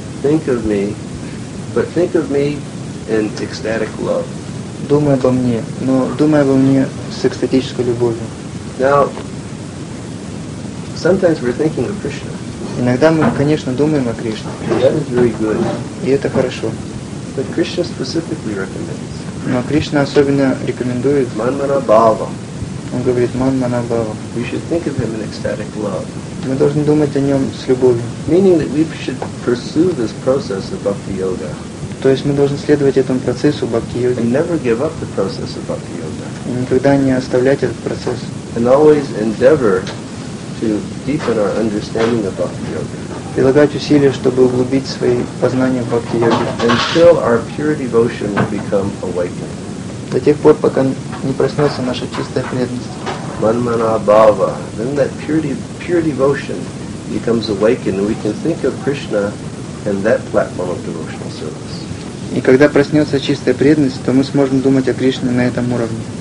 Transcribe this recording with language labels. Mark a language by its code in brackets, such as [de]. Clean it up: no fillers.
[en] Think of me, but think of me in ecstatic love. [ru] Думай обо мне, но думай обо мне с экстатической любовью. [en] Now, sometimes we're thinking of Krishna. [ru] Иногда мы, конечно, думаем о Кришне. [en] That is very good. [ru] И это хорошо. [en] But Krishna specifically recommends. [ru] Но Кришна особенно рекомендует. [sa] Манмана Бхава. [ru] Он говорит, [sa] Манмана Бхава. [en] We should think of him in ecstatic love. [ru] Мы должны думать о нем с любовью. [en] Meaning that we should pursue this process of bhakti yoga. [ru] То есть мы должны следовать этому процессу бхакти йоги. [en] And never give up the process of bhakti yoga. [ru] И никогда не оставлять этот процесс. [en] And always endeavor to deepen our understanding of bhakti yoga. [ru] Прилагать усилия, чтобы углубить свои познания в бхакти йоге. [en] Until our pure devotion will become awakened. [ru] До тех пор, пока не проснется наша чистая преданность. [sa] Manmana bhava. [en] Then that pure devotion becomes awakened, and we can think of Krishna and that platform of devotional service. [ru] И когда проснется чистая преданность, то мы сможем думать о Кришне на этом уровне.